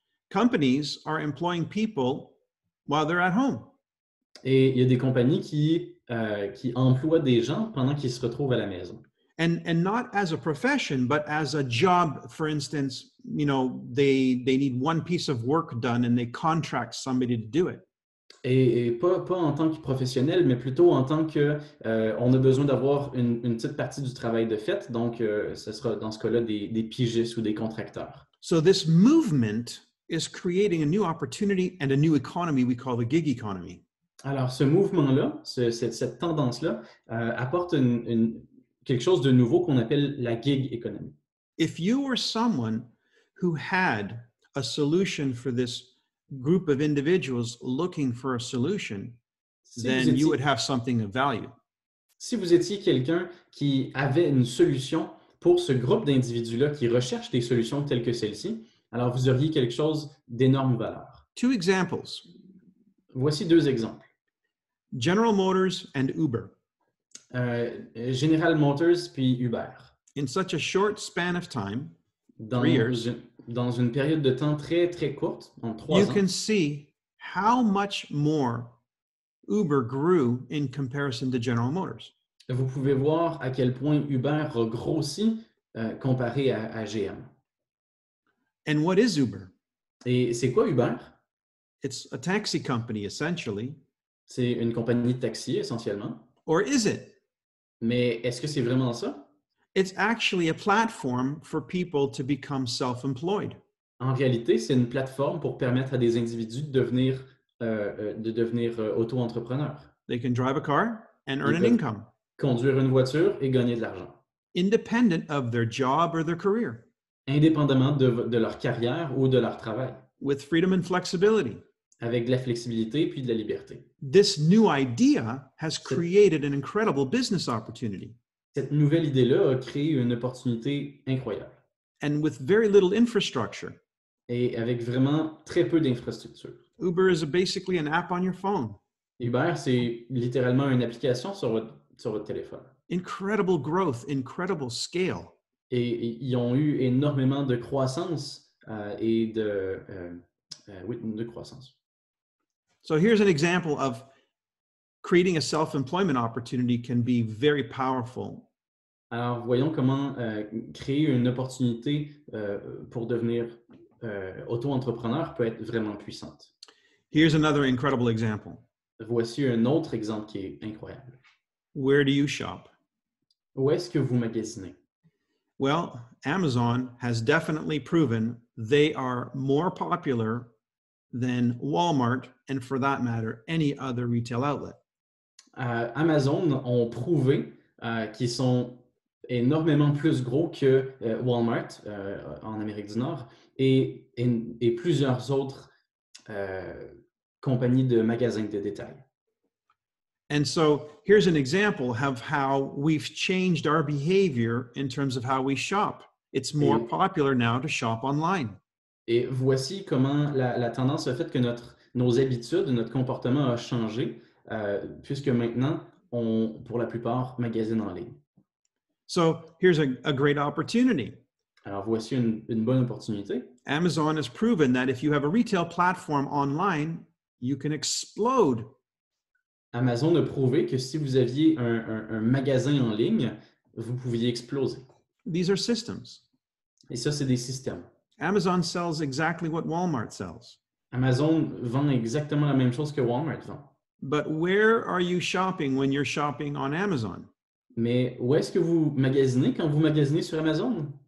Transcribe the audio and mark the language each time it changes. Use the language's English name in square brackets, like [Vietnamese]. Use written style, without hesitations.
[English] Companies are employing people while they're at home. [French] Et il y a des compagnies qui emploient des gens pendant qu'ils se retrouvent à la maison. [English] And not as a profession, but as a job, for instance, you know, they need one piece of work done and they contract somebody to do it. [French] Et pas en tant que professionnel, mais plutôt en tant que on a besoin d'avoir une petite partie du travail de fait, donc ce sera dans ce cas-là des pigistes ou des contracteurs. [English] So this movement is creating a new opportunity and a new economy we call the gig economy. [French] Alors ce mouvement-là, cette tendance-là, apporte une quelque chose de nouveau qu'on appelle la gig économie. [English] If you were someone who had a solution for this group of individuals looking for a solution, then you would have something of value. [French] Si vous étiez quelqu'un qui avait une solution pour ce groupe d'individus-là qui recherche des solutions telles que celle-ci, alors vous auriez quelque chose d'énorme valeur. [English] Two examples. [French] Voici deux exemples. [English] General Motors and Uber. [French] General Motors puis Uber. [English] In such a short span of time, [French] dans une période de temps très très courte, en trois [English] you [French] ans, [English] can see how much more Uber grew in comparison to General Motors. [French] Vous pouvez voir à quel point Uber a grossi comparé à GM. [English] And what is Uber? [French] Et c'est quoi Uber? [English] It's a taxi company essentially. [French] C'est une compagnie de taxi essentiellement. [English] Or is it? [French] Mais est-ce que c'est vraiment ça? [English] It's actually a platform for people to become self-employed. [French] En réalité, c'est une plateforme pour permettre à des individus de devenir auto-entrepreneurs. [English] They can drive a car and earn an income. [French] Conduire une voiture et gagner de l'argent. [English] Independent of their job or their career. [French] Indépendamment de leur carrière ou de leur travail. [English] With freedom and flexibility. [French] Avec de la flexibilité puis de la liberté. [English] This new idea has created an incredible business opportunity. [French] Cette nouvelle idée-là a créé une opportunité incroyable. [English] And with very little infrastructure. [French] Et avec vraiment très peu d'infrastructure. [English] Uber is basically an app on your phone. [French] Uber, c'est littéralement une application sur votre téléphone. [English] Incredible growth, incredible scale. [French] Et ils ont eu énormément de croissance de croissance. [English] So here's an example of creating a self-employment opportunity can be very powerful. [French] Alors voyons comment créer une opportunité pour devenir auto-entrepreneur peut être vraiment puissante. [English] Here's another incredible example. [French] Voici un autre exemple qui est incroyable. [English] Where do you shop? [French] Où est-ce que vous magasinez? [English] Well, Amazon has definitely proven they are more popular than Walmart, and for that matter, any other retail outlet. [French] Amazon ont prouvé qu'ils sont énormément plus gros que Walmart en Amérique du Nord et plusieurs autres compagnies de magasins de détail. [English] And so, here's an example of how we've changed our behavior in terms of how we shop. It's more popular now to shop online. [French] Et voici comment la tendance a fait que nos habitudes, notre comportement a changé puisque maintenant, on, pour la plupart, magasine en ligne. [English] So, here's a great opportunity. [French] Alors, voici une bonne opportunité. [English] Amazon has proven that if you have a retail platform online, you can explode. [French] Amazon a prouvé que si vous aviez un magasin en ligne, vous pouviez exploser. [English] These are systems. [French] Et ça, c'est des systèmes. [English] Amazon sells exactly what Walmart sells. [French] Amazon vend exactement la même chose que Walmart vend. [English] But where are you shopping when you're shopping on Amazon? [French] Mais où est-ce que vous magasinez quand vous magasinez sur Amazon?